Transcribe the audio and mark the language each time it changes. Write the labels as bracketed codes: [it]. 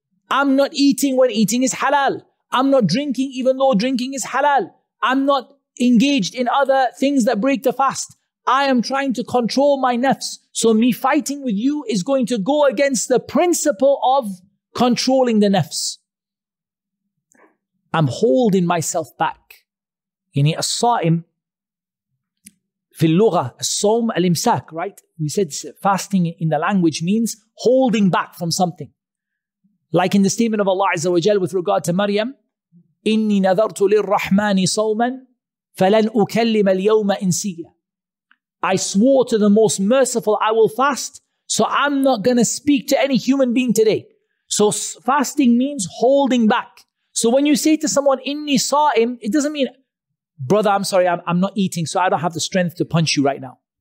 [en] I'm not eating when eating is halal. I'm not drinking even though drinking is halal. I'm not engaged in other things that break the fast. I am trying to control my nafs. So me fighting with you is going to go against the principle of controlling the nafs. I'm holding myself back. [ar] Yani as-sa'im, في اللغة الصوم الامساك, [en] right? We said fasting in the language means holding back from something. Like in the statement of Allah Azza wa Jal with regard to Maryam, [ar] إني نذرت للرحمن صوما فلن أكلم اليوم إنسيا. [en] I swore to the most merciful, I will fast, so I'm not going to speak to any human being today. So fasting means holding back. So when you say to someone, [ar] إني صائم, [en] it doesn't mean, brother, I'm sorry, I'm not eating, so I don't have the strength to punch you right now.